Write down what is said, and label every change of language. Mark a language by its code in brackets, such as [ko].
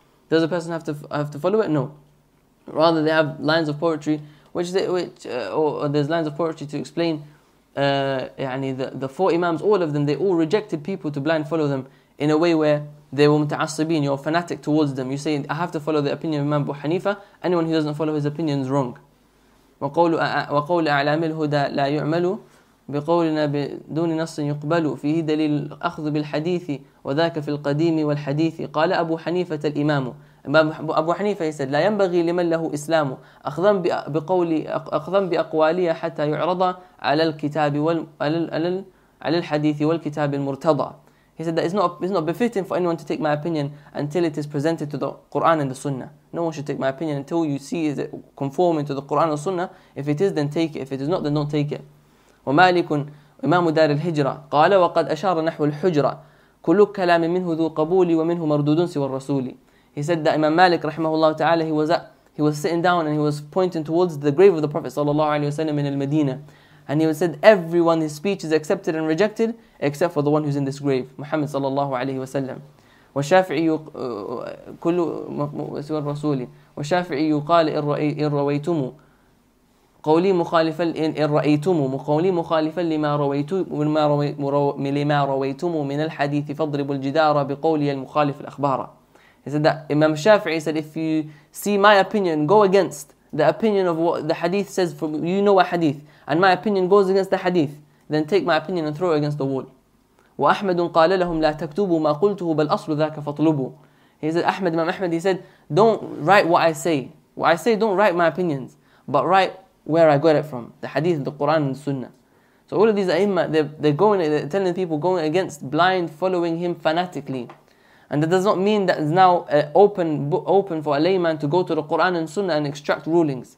[en] Does a person have to follow it? No. Rather, they have lines of poetry, or there's lines of poetry to explain the four imams, all of them, they all rejected people to blind follow them in a way where they were mutaassibin, you're fanatic towards them. You say, I have to follow the opinion of Imam Abu Hanifa, anyone who doesn't follow his opinion is wrong. [ar] وقول أعلام الهدى لا يعمل بقولنا بدون نص يقبل فيه دليل أخذ بالحديث وذاك في القديم والحديث قال أبو حنيفة الإمام أبو حنيفة يسأل لا ينبغي لمن له إسلام أخذا بأقوالي حتى يعرض على الكتاب على الحديث والكتاب المرتضى. [en] He said that it's not befitting for anyone to take my opinion until it is presented to the Quran and the Sunnah. No one should take my opinion until you see is it conforming to the Quran and the Sunnah. If it is, then take it. If it is not, then don't take it. [ar] وَمَالِكٌ إِمَامُ دَارِ الْهِجْرَةِ قَالَ وَقَدْ أَشَارَ نَحْوُ الْحُجْرَةِ كُلُّ كَلَامٍ مِنْهُ ذُو قَبُولِ وَمِنْهُ مَرْدُودٌ سِوَى الرَّسُولِ. [en] He said that Imam Malik, rahimahullah ta'ala, he was sitting down and he was pointing towards the grave of the Prophet sallallahu alayhi wa sallam in al-Madinah. And he said, everyone, his speech is accepted and rejected except for the one who's in this grave, Muhammad sallallahu alayhi wa sallam. [ar] وَالشَّافِعِيُّ كُلُّ سِوَى الرَّسُولِ وَالشَّافِعِيُّ قَالِ إِنْ رَوَيْتُمُ قَوْلِي مُخَالِفًا إِنْ رَأَيْتُمُ قَوْلِي مُخَالِفًا لِمَا رَوَيْتُمُ مِنَ الْحَدِيثِ فَاضْرِبُوا الْجِدَارَ بِقَوْلِي الْمُخَالِفِ الْأَخْبَارَ. [en] He said that Imam Shafi'i said, if you see my opinion go against the opinion of what the hadith says, from you know a hadith, and my opinion goes against the hadith, then take my opinion and throw it against the wall. [ar] وأحمد قال لهم لا تكتبوا ما قلته بل أصل ذاك فاطلبوا. [en] He said, Ahmed, Imam Ahmed, he said, don't write what I say. What I say, don't write my opinions, but write where I got it from, the hadith, the Quran, and the Sunnah. So all of these a'imma, they're telling people, going against, blind, following him fanatically. And that does not mean that it's now open for a layman to go to the Quran and Sunnah and extract rulings.